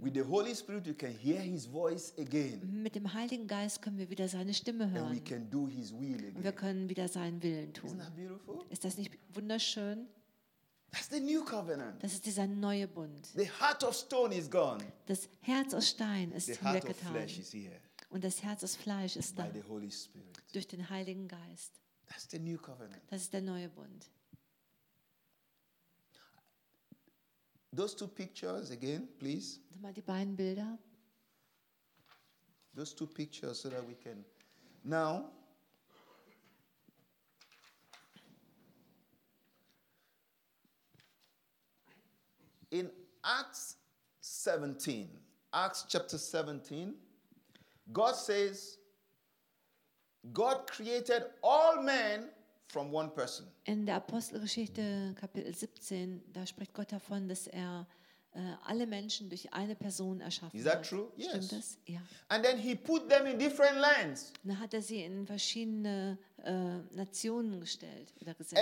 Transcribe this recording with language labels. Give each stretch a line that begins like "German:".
English: With the Holy Spirit we can hear his voice again.
German: Mit dem Heiligen Geist können wir wieder seine Stimme hören.
English: And we can do his will again.
German: Und wir können wieder seinen Willen tun.
English: Isn't that beautiful?
German: Ist das nicht wunderschön?
English: That's the new covenant.
German: Das ist dieser neue Bund.
English: The heart of stone is gone.
German: Das Herz aus Stein ist hinweggetan.
English: The heart of flesh is here.
German: Und das Herz aus Fleisch ist da.
English: By the Holy Spirit.
German: Durch den Heiligen Geist.
English: That's the new covenant.
German: Das ist der neue Bund.
English: Those two pictures again, please.
German: Mal die beiden Bilder.
English: Those two pictures so that we can. Now, in Acts 17, Acts chapter 17, God says, God created all men from one person.
German: In der Apostelgeschichte Kapitel 17, da spricht Gott davon, dass er alle Menschen durch eine Person erschaffen hat.
English: Is that true? Yes.
German: Stimmt das? Ja.
English: And then he put them in different lands.
German: Dann hat er sie in verschiedene Nationen gestellt oder gesetzt.